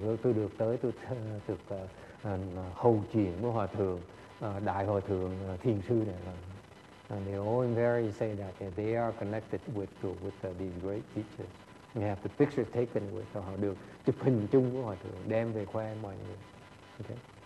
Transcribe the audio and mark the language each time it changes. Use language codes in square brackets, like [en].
[vi] Tôi được tới, tôi được hầu chuyện của hòa thượng, đại hòa thượng thiền sư này. [en] And they all very say that they are connected with these great teachers. They have the pictures taken with [vi] họ, được chụp hình chung của hòa thượng, đem về khoe mọi người. Okay.